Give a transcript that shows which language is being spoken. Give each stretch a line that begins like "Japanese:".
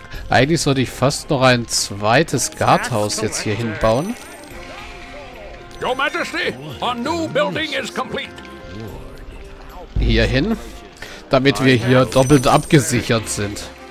German: Eigentlich sollte ich fast noch ein zweites Guardhaus jetzt hier hinbauen.
English: Your Majesty, a new building is complete.
German: Hierhin, damit wir hier doppelt abgesichert sind.